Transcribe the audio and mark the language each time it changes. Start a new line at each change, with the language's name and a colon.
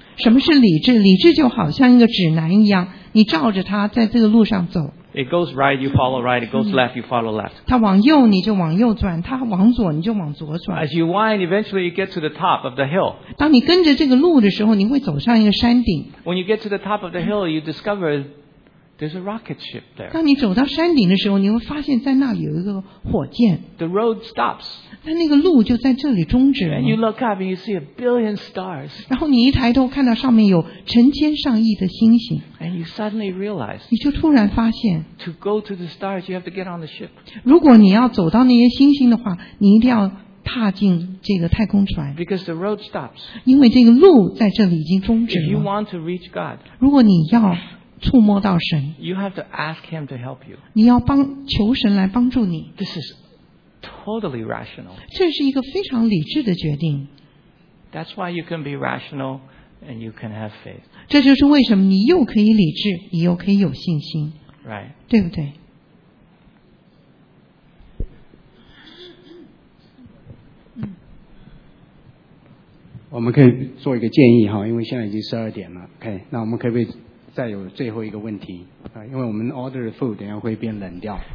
Chinese: 什么是理智？理智就好像一个指南一样，你照着它在这个路上走。
English: It goes right, you follow right. It goes left, you follow left.
Chinese: 它往右你就往右转，它往左你就往左转。
English: As you wind, eventually you get to the top of the hill.
Chinese: 当你跟着这个路的时候，你会走上一个山顶。
English: When you get to the top of the hill, you discover there's a rocket ship there.
Chinese: 当你走到山顶的时候，你会发现在那里有一个火箭。
English: The road stops.
Chinese: 但那个路就在这里终止了。
English: And you look up and you see a billion stars.
Chinese: 然后你一抬头看到上面有成千上亿的星星。
English: And you suddenly realize.
Chinese: 你就突然发现。
English: To go to the stars, you have to get on the ship.
Chinese: 如果你要走到那些星星的话，你一定要踏进这个太空船。
English: Because the road stops.
Chinese: 因为这个路在这里已经终止了。
English: If you want to reach God.
Chinese: 如果你要触摸到神，
English: you have to ask him to help you.
Chinese: 你要帮求神来帮助你。
English: This is totally rational.
Chinese: 这是一个非常理智的决定。
English: That's why you can be rational and you can have faith.
Chinese: 这就是为什么你又可以理智，你又可以有信心。
English: Right.
Chinese: 对不对？ Mm. 我们可以做一个建议哈，因为现在已经12点了。 OK， 那我们可以再有最后一个问题，因为我们
English: order the food
Chinese: 等一下会变冷掉。